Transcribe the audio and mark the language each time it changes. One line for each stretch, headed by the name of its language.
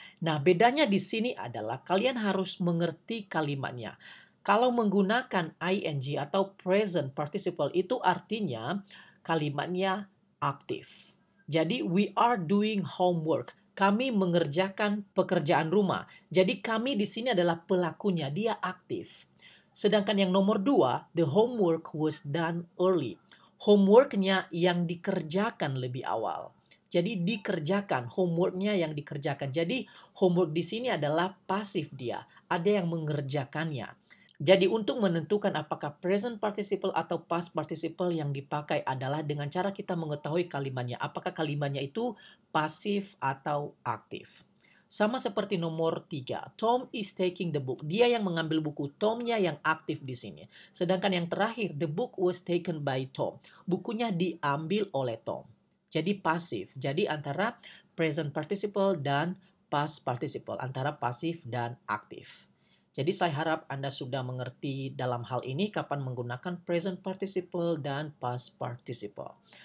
Indonesian: Nah, bedanya di sini adalah kalian harus mengerti kalimatnya. Kalau menggunakan ing atau present participle, itu artinya kalimatnya aktif.
English: Jadi, we are doing homework.
Indonesian: Kami mengerjakan pekerjaan rumah. Jadi, kami di sini adalah pelakunya. Dia aktif. Sedangkan yang nomor dua,
English: the homework was done early.
Indonesian: Homeworknya yang dikerjakan lebih awal. Jadi dikerjakan, homeworknya yang dikerjakan. Jadi homework di sini adalah pasif dia. Ada yang mengerjakannya. Jadi untuk menentukan apakah present participle atau past participle yang dipakai adalah dengan cara kita mengetahui kalimatnya. Apakah kalimatnya itu pasif atau aktif. Sama seperti nomor tiga,
English: Tom is taking the book.
Indonesian: Dia yang mengambil buku, Tomnya yang aktif di sini. Sedangkan yang terakhir,
English: the book was taken by Tom.
Indonesian: Bukunya diambil oleh Tom. Jadi pasif. Jadi antara present participle dan past participle. Antara pasif dan aktif. Jadi saya harap Anda sudah mengerti dalam hal ini kapan menggunakan present participle dan past participle.